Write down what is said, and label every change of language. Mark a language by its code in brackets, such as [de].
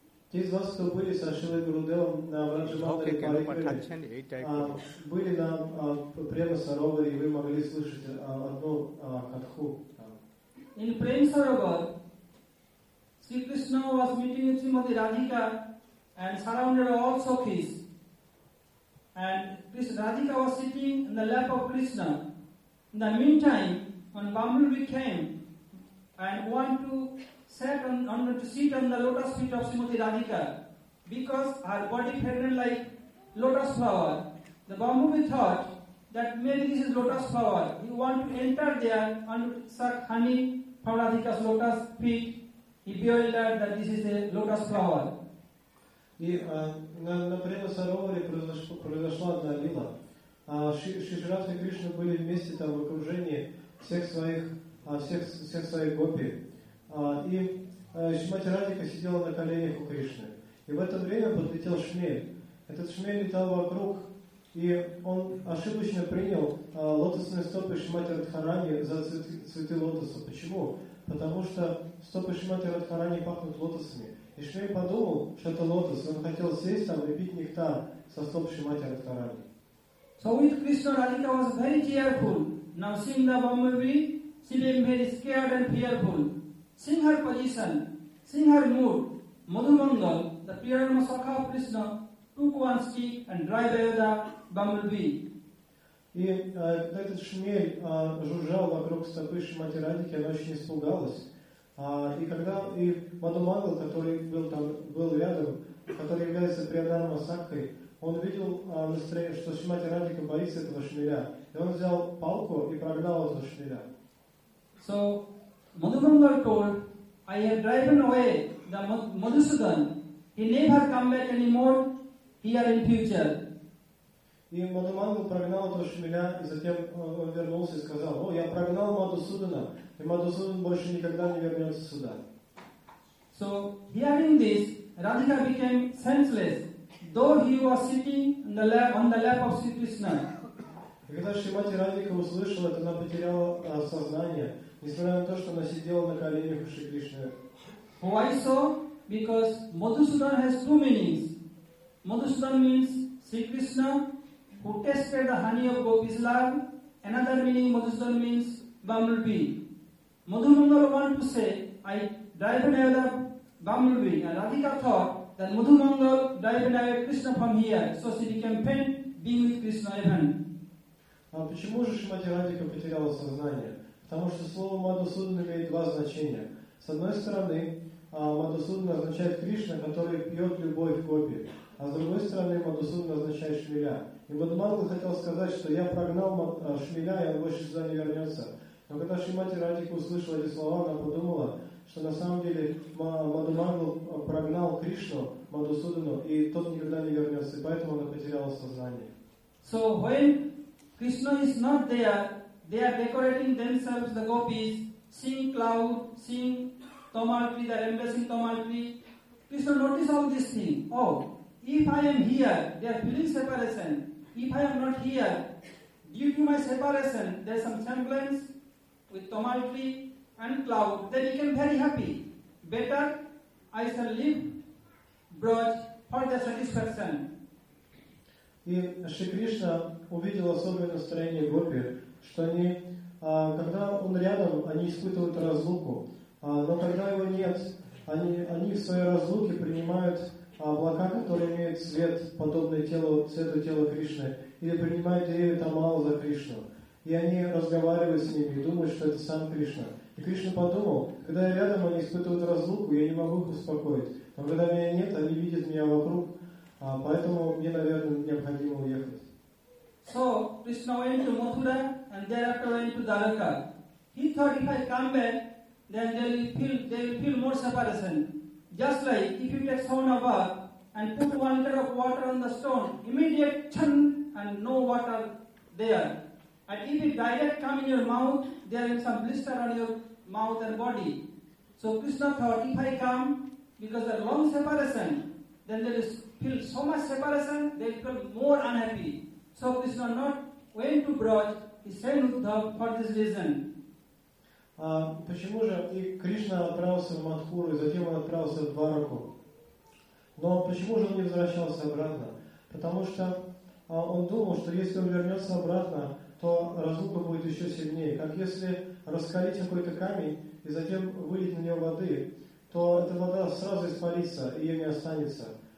[ru] Те из вас, кто были со Шрилой Гурудевом на Враджавандале Парикраме, были на Према Сароваре, и вы могли слышать одну катху. [en] In Prema Sarovar, Sri Krishna was meeting with Srimati Radhika and surrounded by all Sakhis. And this Radhika was sitting in the lap of Krishna. In the meantime, when Bumblebee came and want to sit on the lotus feet of Srimati Radhika because her body fragrant like lotus flower, the Bumblebee thought that maybe this is lotus flower. He want to enter there and suck honey Paradika's lotus feet, he beheld that this is the lotus flower. [ru] И на время Сарова произошла одна лила. Шри Радха и Кришна были вместе там в окружении всех своих гопи. И Шимати Радика сидела на коленях у Кришны. И в это время подлетел шмель. Этот шмель летал вокруг, и он ошибочно принял лотосные стопы Шимати Радхарани за цветы лотоса. Почему? Потому что стопы Шимати Радхарани пахнут лотосами. И Шмей подумал, что это лотос, он хотел сесть там и пить нектар со стоп Шимати Радхарани. [en] So with Krishna, Radhika was very cheerful. Now seeing the bumblebee, she became very scared and fearful. Seeing her position, seeing her mood, Madhumangal, the Priyarama Sakha of Krishna, took one stick and drive away the bumblebee. [ru] И этот шмель жужжал вокруг стопы Шимати Радхики, она очень испугалась. И Маду Мангал, который был рядом, который является преданным Сакхой, он увидел настроение, что Шимати Радхика боится этого шмеля. И он взял палку и прогнал этого шмеля. [en] So, Маду Мангал told, I have driven away the Madhusudan. He never come back anymore here in future. [ru] И Мадхумангал прогнал этого шмеля, и затем он вернулся и сказал, о, я прогнал Мадхусудана, и Мадхусудан больше никогда не вернется сюда. [en] So, hearing this, Radhika became senseless, though he was sitting on the lap of Sri Krishna. [ru] И когда Шримати Радхика услышала, то она потеряла сознание, несмотря на то, что она сидела на коленях у Шри Кришны. [en] Why so? Because Мадхусудан has two meanings. Мадхусудан means Sri Krishna, who tasted the honey of Gopi's love. Another meaning, Madhusudan means bumblebee. Madhumangal wanted to say, I drive away the bumblebee. And Radhika thought that Madhumangal drive away Krishna from here. So she became faint, being with Krishna even. [ru] Почему же Шимати Радхика потеряла сознание? Потому что слово Мадхусудан имеет два значения. С одной стороны, Мадхусудан означает Кришна, который пьет любовь Гопи. А с другой стороны, Мадхусудан означает шмеля. И Мадхумангал хотел сказать, что я прогнал шмеля, и он больше сюда не вернется. Но когда Шримати Радхика услышала эти слова, она подумала, что на самом деле Мадхумангал прогнал Кришну, Мадхусудану, и тот никогда не вернется, и поэтому она потеряла сознание. [en] So when Krishna is not there, they are decorating themselves, the gopis, seeing cloud, seeing tamal tree, they are embracing tamal tree. Krishna notice all this thing. Oh, if I am here, they are feeling separation. If I am not here, due to my separation, there is some semblance with tamal tree and cloud, then you can be very happy. Better, I shall leave Braj for the satisfaction. [ru] И Шри Кришна увидел особое настроение гопи, что они, когда он рядом, они испытывают разлуку. Но когда его нет, они в своей разлуке принимают облака, которые имеют цвет, подобный цвету тела Кришны, или принимают деревья Тамала за Кришну. И они разговаривают с ними и думают, что это сам Кришна. И Кришна подумал, когда я рядом, они испытывают разлуку, я не могу их успокоить. Но когда меня нет, они видят меня вокруг, поэтому мне, наверное, необходимо уехать. [en] So, Krishna went to Mathura and thereafter went to Dwarka. He thought if I come back, then they will feel more separation. Just like if you take sauna bath and put 1 liter of water on the stone, immediate chan and no water there. And if it direct come in your mouth, there is some blister on your mouth and body. So Krishna thought, if I come, because there is long separation, then there is feel so much separation, they feel more unhappy. So Krishna not went to Braj, he sent Uddhava for this reason. [ru] Почему же и Кришна отправился в Мадхуру, и затем он отправился в Двараку? Но почему же он не возвращался обратно? Потому что он думал, что если он вернется обратно, то разлука будет еще сильнее. Как если раскалить какой-то камень, и затем вылить на него воды, то эта вода сразу испарится, и ее не останется.